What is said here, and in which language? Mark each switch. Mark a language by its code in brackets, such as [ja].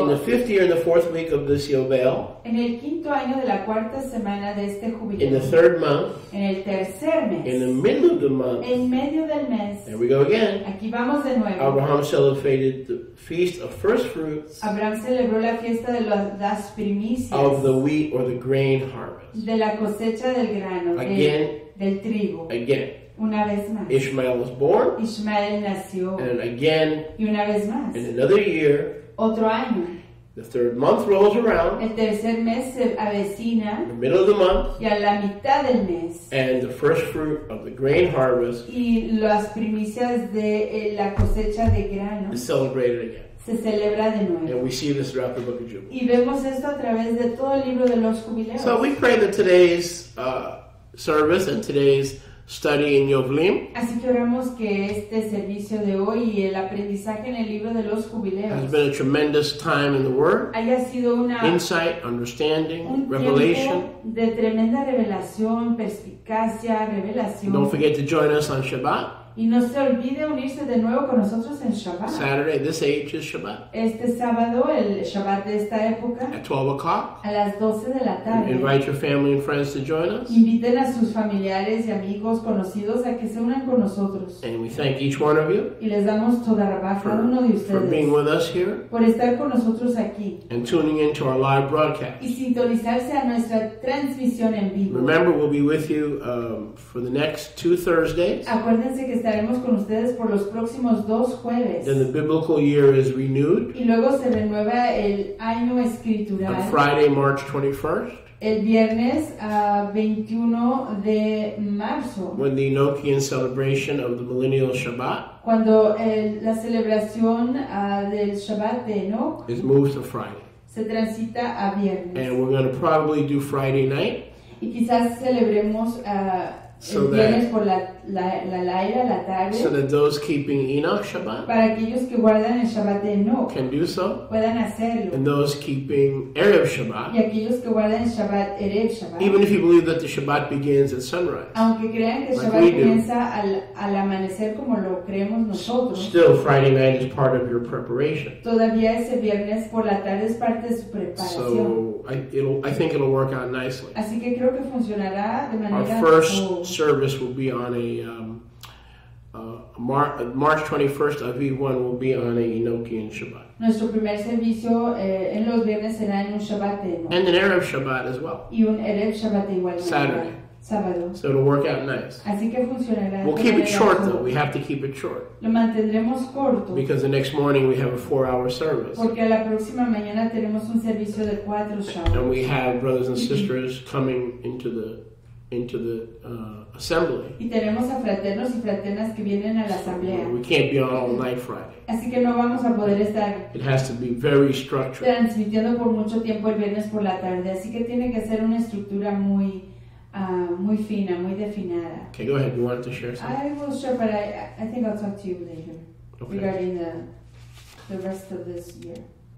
[en] In the 50th year, in the 4th week of this Yovel. [es] En el quinto año de la cuarta semana de este jubileo. [en] In the 3rd month. [es] En el tercer mes. [en] In the middle of the month. [es] En medio del mes. [en] There we go again. [es] Aquí vamos de nuevo. [en] Abraham celebrated the feast of first fruits. [es] Abraham celebró la fiesta de las primicias. [en] Of the wheat or the grain harvest. [es] De la cosecha del grano. [en] Again. [es] Del trigo. [en] Again. [es] Una vez más. [en] Ishmael was born. [es] Ishmael nació. [en] And again. [es] Y una vez más. [en] In another year. [es] Otro año. [en] The 3rd month rolls around. [es] El tercer mes se avecina. [en] In the middle of the month. [es] Y a la mitad del mes. [en] And the first fruit of the grain harvest. [es] Y las primicias de la cosecha de grano. [en] Is celebrated again. [es] Se celebra de nuevo. [en] And we see this throughout the book of Jubilees. [es] Y vemos esto a través de todo el libro de los jubileos. [en] So we pray that today's service and today's study in Yovelim. [es] Así que oramos que este servicio de hoy y el aprendizaje en el libro de los jubileos [en] has been a tremendous time in the Word. [es] Haya sido una [en] insight, understanding, [es] un [en] revelation. [es] De tremenda revelación, perspicacia, revelación. [en] Don't forget to join us on Shabbat. [es] Y no se olvide unirse de nuevo con nosotros en Shabbat. [en] Saturday, this age is Shabbat. [es] Este sábado, el Shabbat de esta época. [en] At 12 o'clock. [es] A las 12 de la tarde. [en] Invite your family and friends to join us. [es] Inviten a sus familiares y amigos conocidos a que se unan con nosotros. [en] And we thank each one of you. [es] Y les damos toda rabá a cada uno de ustedes. [en] For being with us here. [es] Por estar con nosotros aquí. [en] And tuning into our live broadcast. [es] Y sintonizarse a nuestra transmisión en vivo. [en] Remember, we'll be with you for the next two Thursdays. [es] Acuérdense que estaremos con ustedes por los próximos dos jueves. [en] Then the biblical year is renewed. [es] Y luego se renueva el año escritural. [en] On Friday, March 21st. [es] El viernes 21 de marzo. [en] When the Enochian celebration of the millennial Shabbat. [es] Cuando la celebración del Shabbat de Enoch. [en] Is moved to Friday. [es] Se transita a viernes. [en] And we're going to probably do Friday night. [es] Y quizás celebremos [en] so that, so that those keeping Enoch Shabbat, [es] para aquellos que guardan el Shabbat de Enoch, [en] can do so, [es] puedan hacerlo, [en] and those keeping Erev Shabbat, [es] y aquellos que guardan el Shabbat, Erev Shabbat, [en] even if you believe that the Shabbat begins at sunrise, [es] aunque crean que el Shabbat [en] like [es] comienza al amanecer como lo creemos nosotros, [en] still Friday night is part of your preparation. [es] Todavía ese viernes por la tarde es parte de su preparación. [en] So I think it'll work out nicely. [es] Así que creo que funcionará de manera [en] our first service will be on a March 21st, Aviv 1 will be on an Enochian Shabbat. [es] Nuestro primer servicio en los viernes será en un Shabbat de Enoch. [en] And an Erev Shabbat as well. [es] Y un Erev Shabbat igual. [en] Saturday. [es] Sábado. [en] So it'll work out nice. [es] Así que funcionará. [en] We'll keep it short though. We have to keep it short. [es] Lo mantendremos corto. [en] Because the next morning we have a 4-hour service. [es] Porque la próxima mañana tenemos un servicio de 4 shabbats. [en] And we have brothers and sisters coming into the assembly. [es] Y tenemos a fraternos y fraternas que vienen a la asamblea. [en] We can't be on all night Friday. [es] Así que no vamos a poder estar. [en] It has to be very structured. [es] Transmitiendo por mucho tiempo el viernes por la tarde, así que tiene que ser una estructura muy muy fina, muy definida. [en] Okay, go ahead. You want to share something? I will share, but I think I'll talk to you later. Okay. Regarding the rest of this year.